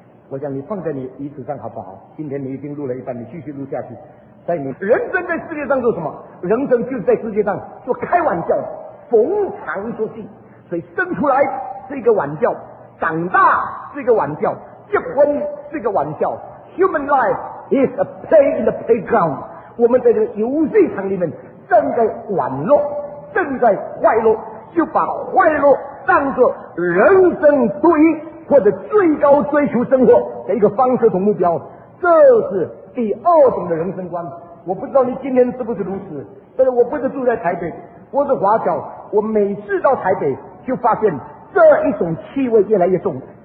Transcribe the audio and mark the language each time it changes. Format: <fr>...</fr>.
<zh>我想你放在你椅子上好不好？今天你已经录了一半，你继续录下去。在你人生在世界上做什么？人生就是在世界上做开玩笑，逢场作戏。所以生出来是一个玩笑，长大是一个玩笑，结婚是一个玩笑。</zh> <en>Human life is a play in the playground。</en> <zh>我们在这个游戏场里面正在玩乐，正在快乐，就把快乐当作人生独一或者最高追求生活的一个方式和目标，这是第二种的人生观。我不知道你今天是不是如此，但是我不是住在台北，我是华侨，我每次到台北就发现这一种气味越来越重。</zh>